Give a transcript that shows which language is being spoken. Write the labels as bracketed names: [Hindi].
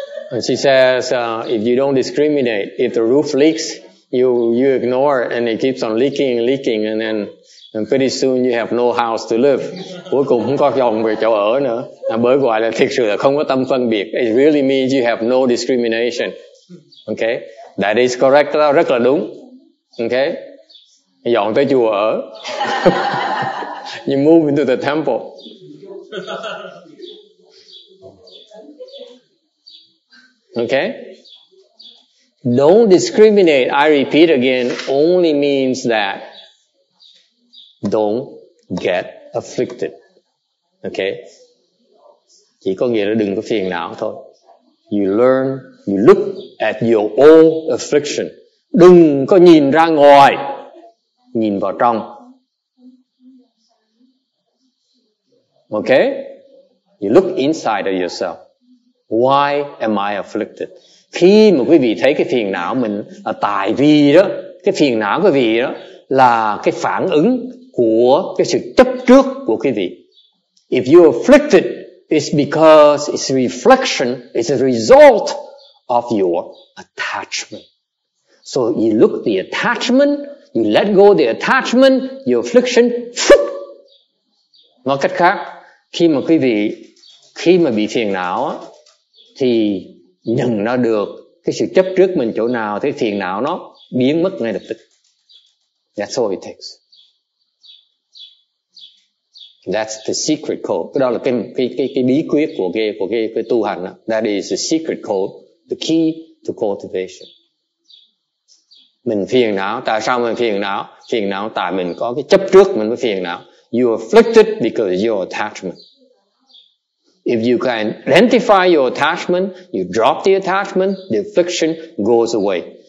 [English] And she says, if you don't discriminate, if the roof leaks, you ignore it and it keeps on leaking and then pretty soon you have no house to live. [Vietnamese] Cuối cùng không có dòng về chỗ ở nữa. À, bởi gọi là thiệt sự là không có tâm phân biệt. [English] It really means you have no discrimination. Okay? That is correct. [Vietnamese] Đó, rất là đúng. [English] Okay? [Vietnamese] Dọn tới chùa ở. [English] You move into the temple. Okay? Don't discriminate, I repeat again, only means that don't get afflicted. Okay? [Vietnamese] Chỉ có nghĩa là đừng có phiền não thôi. [English] You learn, you look at your own affliction. [Vietnamese] Đừng có nhìn ra ngoài, nhìn vào trong. [English] Okay? You look inside of yourself. Why am I afflicted? [Vietnamese] Khi mà quý vị thấy cái phiền não mình là tại vì đó, cái phiền não quý vị đó là cái phản ứng của cái sự chấp trước của quý vị. [English] If you're afflicted, it's because it's a reflection, it's a result of your attachment. So you look the attachment, you let go the attachment, your affliction, phúc. [Vietnamese] Nói cách khác, khi mà quý vị, khi mà bị phiền não á, thì nhận nó được cái sự chấp trước mình chỗ nào, thì phiền não nó biến mất ngay lập tức. [English] That's all it takes. That's the secret code. [Vietnamese] Cái đó là cái bí quyết của cái tu hành đó. [English] That is the secret code, the key to cultivation. [Vietnamese] Mình phiền não, tại sao mình phiền não? Phiền não tại mình có cái chấp trước mình mới phiền não. [English] You are afflicted because of your attachment. If you can identify your attachment, you drop the attachment, the affliction goes away.